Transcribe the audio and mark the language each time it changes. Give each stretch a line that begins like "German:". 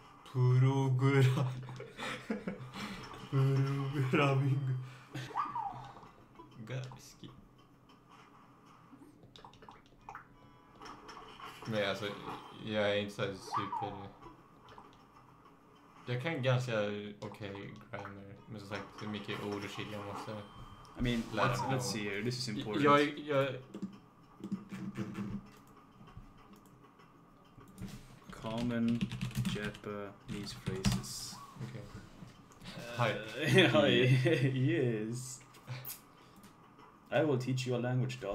Japanese: プログラミング が好き。
Swedish: Men alltså, jag är inte så super... Jag kan ganska okej grammar, men som sagt, hur mycket ord och skit jag måste
English: I mean, let's see here, this is important. Common Japanese phrases. Okay. Hi. Yes. I will teach you a language.com.